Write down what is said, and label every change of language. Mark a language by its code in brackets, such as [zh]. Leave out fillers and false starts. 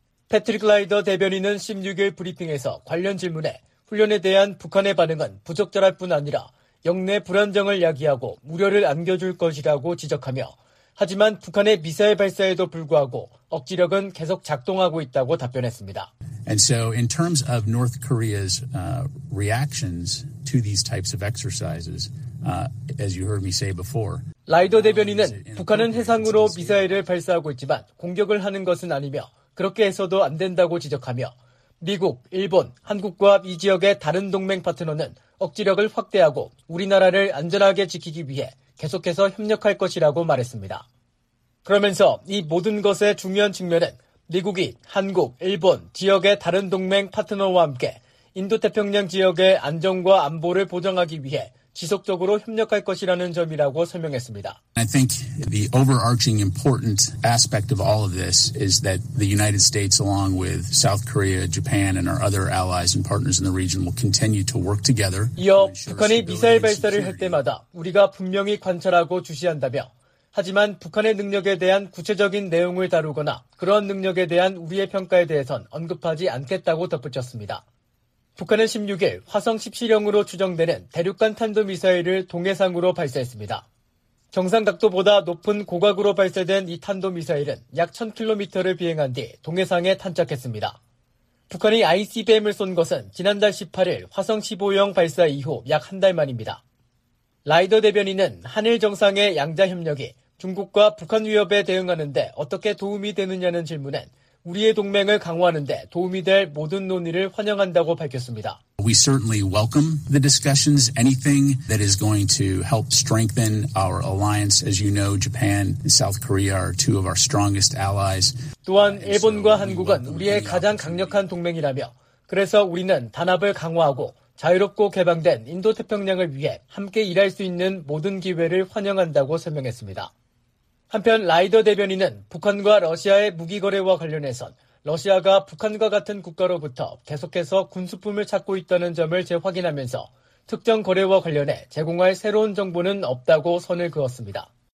[ko] 패트릭 라이더 대변인은 16일 브리핑에서 관련 질문에 훈련에 대한 북한의 반응은 부적절할 뿐 아니라 영내 불안정을 야기하고 우려를 안겨줄 것이라고 지적하며 하지만 북한의 미사일 발사에도 불구하고 억지력은 계속 작동하고 있다고 답변했습니다. [en] And so in terms of North Korea's reactions to these types of exercises, as you heard me say before. [ko] 라이더 대변인은 북한은 해상으로 미사일을 발사하고 있지만 공격을 하는 것은 아니며 그렇게 해서도 안 된다고 지적하며 미국, 일본, 한국과 이 지역의 다른 동맹 파트너는 억지력을 확대하고 우리나라를 안전하게 지키기 위해 계속해서 협력할 것이라고 말했습니다. 그러면서 이 모든 것의 중요한 측면은 미국이 한국, 일본, 지역의 다른 동맹 파트너와 함께 인도태평양 지역의 안전과 안보를 보장하기 위해 지속적으로 협력할 것이라는 점이라고 설명했습니다. [en] I think the overarching important aspect of all of this is that the United States along with South Korea, Japan and our other allies and partners in the region will continue to work together. [ko] 이어 북한이 미사일 발사를 할 때마다 우리가 분명히 관찰하고 주시한다며 하지만 북한의 능력에 대한 구체적인 내용을 다루거나 그런 능력에 대한 우리의 평가에 대해선 언급하지 않겠다고 덧붙였습니다. 북한은 16일 화성 17형으로 추정되는 대륙간 탄도미사일을 동해상으로 발사했습니다. 정상각도보다 높은 고각으로 발사된 이 탄도미사일은 약 1000km를 비행한 뒤 동해상에 탄착했습니다. 북한이 ICBM을 쏜 것은 지난달 18일 화성 15형 발사 이후 약 한 달 만입니다. 라이더 대변인은 한일 정상의 양자협력이 중국과 북한 위협에 대응하는 데 어떻게 도움이 되느냐는 질문엔 우리의 동맹을 강화하는 데 도움이 될 모든 논의를 환영한다고 밝혔습니다. [en] We certainly welcome the discussions. Anything that is going to help strengthen our alliance, as you know, Japan and South Korea are two of our strongest allies. [ko] 또한 일본과 한국은 우리의 가장 강력한 동맹이라며 그래서 우리는 단합을 강화하고 자유롭고 개방된 인도태평양을 위해 함께 일할 수 있는 모든 기회를 환영한다고 설명했습니다. 한편 라이더 대변인은 북한과 러시아의 무기 거래와 관련해선 러시아가 북한과 같은 국가로부터 계속해서 군수품을 찾고 있다는 점을 재확인하면서 특정 거래와 관련해 제공할 새로운 정보는 없다고 선을 그었습니다.